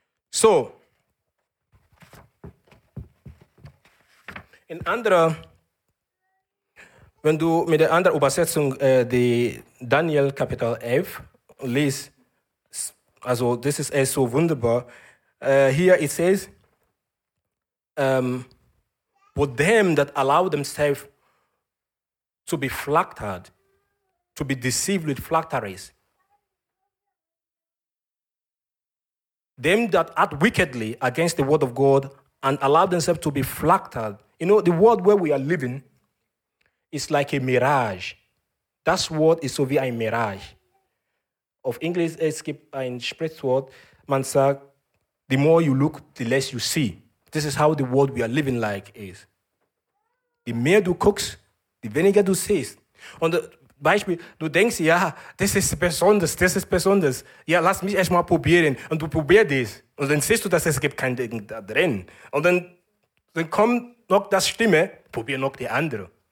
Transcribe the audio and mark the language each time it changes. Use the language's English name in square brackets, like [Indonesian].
[German] So. In anderer, wenn du mit der anderen Übersetzung die Daniel Kapitel 11 liest, also das ist so wunderbar. [English] Hier it says, for them that allow themselves to be flattered, to be deceived with flatteries. Them that act wickedly against the word of God and allow themselves to be flattered. You know, the world where we are living is like a mirage. That word is [German] so wie ein Mirage. Auf Englisch, es gibt ein Sprichwort, man sagt, [English] the more you look, the less you see. This is how the world we are living like is. [German] The mehr du guckst, the weniger du siehst. Und Beispiel, du denkst, ja, das ist besonders. Ja, lass mich erst mal probieren. Und du probierst das. Und dann siehst du, dass es gibt kein Ding da drin. Und dann kommt noch das Stimme, probier noch die andere.